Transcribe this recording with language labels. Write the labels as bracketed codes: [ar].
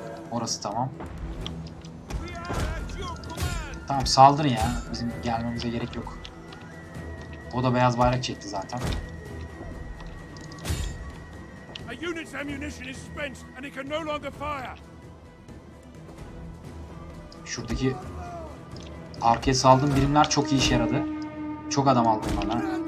[tr] Orası tamam. Tamam saldırın ya. Bizim gelmemize gerek yok. O da beyaz bayrak çekti zaten. [en] Unit's ammunition is spent and it can no longer fire. [tr] Şuradaki arkaya saldığım birimler çok iyi işe yaradı. Çok adam aldım bana.